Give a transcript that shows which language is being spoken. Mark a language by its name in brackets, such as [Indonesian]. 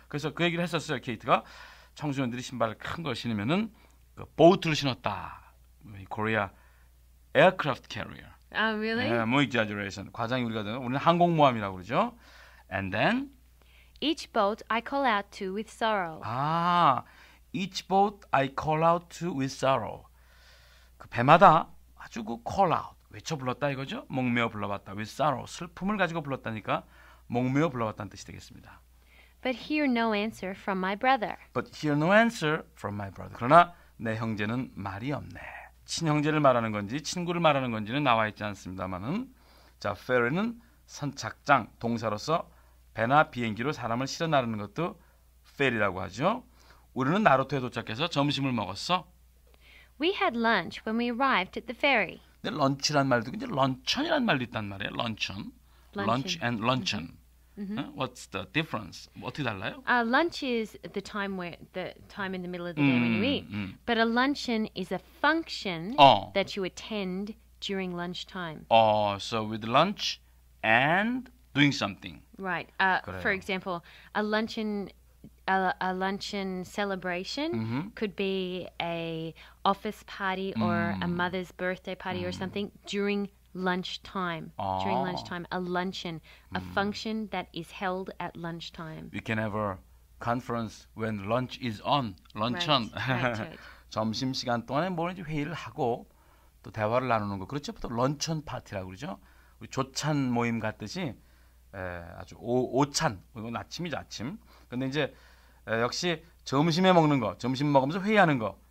[Korean] 그래서 그 얘기를 했었어요, 케이트가. 청소년들이 신발을 큰 걸 신으면은 그 보트를 신었다. [English] 코리아 aircraft carrier. Oh, really? Yeah, more exaggeration. [Korean] 과장이 우리가 되는, 우리는 항공모함이라고 그러죠. [English] And then? Each boat I call out to with sorrow. 아, each boat I call out to with sorrow. [Korean] 그 배마다 아주 그 call out. 외쳐 불렀다 이거죠? 목매어 불러봤다. [English] With sorrow, [Korean] 슬픔을 가지고 불렀다니까 목매어 불러봤다는 뜻이 되겠습니다. [English] But hear no answer from my brother. But hear no answer from my brother. [Korean] 그러나 내 형제는 말이 없네. 친형제를 말하는 건지 친구를 말하는 건지는 나와 있지 않습니다만은 자, ferry는 선착장, 동사로서 배나 비행기로 사람을 실어 나르는 것도 ferry라고 하죠. 우리는 나루토에 도착해서 점심을 먹었어. [English] We had lunch when we arrived at the ferry. [Korean] 근데 런치란 말도 있고 런천이란 말도 있단 말이에요. [English] 런천. Lunch and luncheon. Mm-hmm. Huh? What's the difference? [Korean] 어떻게 달라요? [English] Lunch is the time where the time in the middle of the day when you eat. But a luncheon is a function that you attend during lunchtime. Oh, so with lunch and doing something. Right. For example, a luncheon celebration could be a office party or a mother's birthday party or something during lunchtime. Oh. During lunchtime, a luncheon, a function that is held at lunchtime. We can have a conference when lunch is on. Luncheon. Right. [Korean] 점심 시간 동안에 뭐든지 회의를 하고 또 대화를 나누는 거 그렇죠? 또 런천 파티라고 그러죠. 우리 조찬 모임 같듯이 아주 오찬 이건 아침이죠 아침. 근데 이제 역시 점심에 먹는 거, 점심 먹으면서 회의하는 거.